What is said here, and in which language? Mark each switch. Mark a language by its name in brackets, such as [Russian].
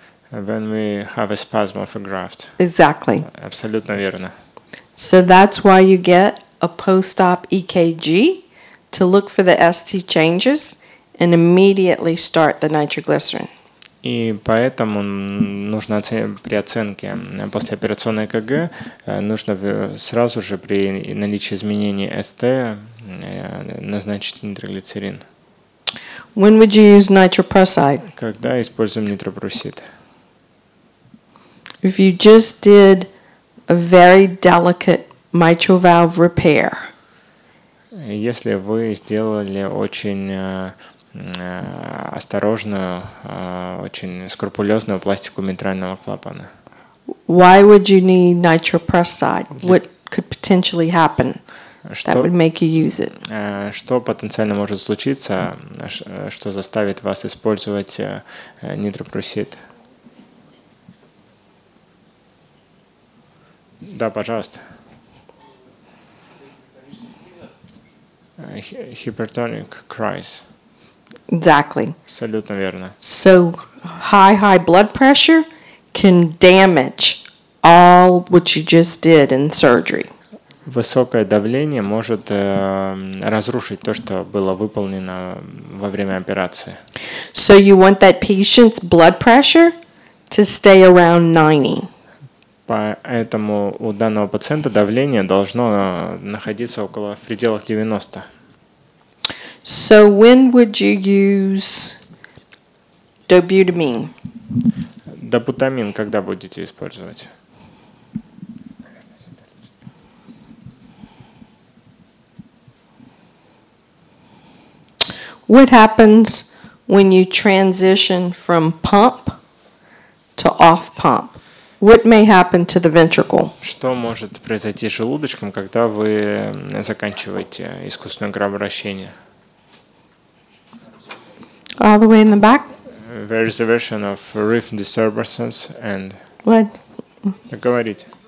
[English] When we have a spasm of a graft. Exactly. [Russian] Абсолютно верно. [English] So that's why you get a post-op EKG to look for the ST changes and immediately start the nitroglycerin. [Russian] И поэтому нужно при оценке послеоперационной ЭКГ нужно сразу же при наличии изменений ST назначить нитроглицерин. [English] When would you use nitroprusside? [Russian] Когда используем нитропрусид? [English] If you just did a very delicate mitral valve repair. [Russian] Если вы сделали очень осторожную, очень скрупулезную пластику митрального клапана. [English] Why would you need nitroprusside? What could potentially happen that would make you use it? [Russian] Что потенциально может случиться, что заставит вас использовать нитропрусид? Да, пожалуйста. [English] Hypertonic crisis. Exactly. [Russian] Абсолютно верно. [English] So high blood pressure can damage all what you just did in surgery. [Russian] Высокое давление может разрушить то, что было выполнено во время операции. [English] So you want that patient's blood pressure to stay around 90. [Russian] Поэтому у данного пациента давление должно находиться около в пределах 90. [English] So when would you use dobutamine? [Russian] Добутамин когда будете использовать? [English] What happens when you transition from pump to off pump? What may happen to the ventricle? [Russian] Что может произойти с желудочком, когда вы заканчиваете искусственное кровообращение? [English] All the way in the back? There is a version of rhythm disturbances and... What? [Russian] Говорите.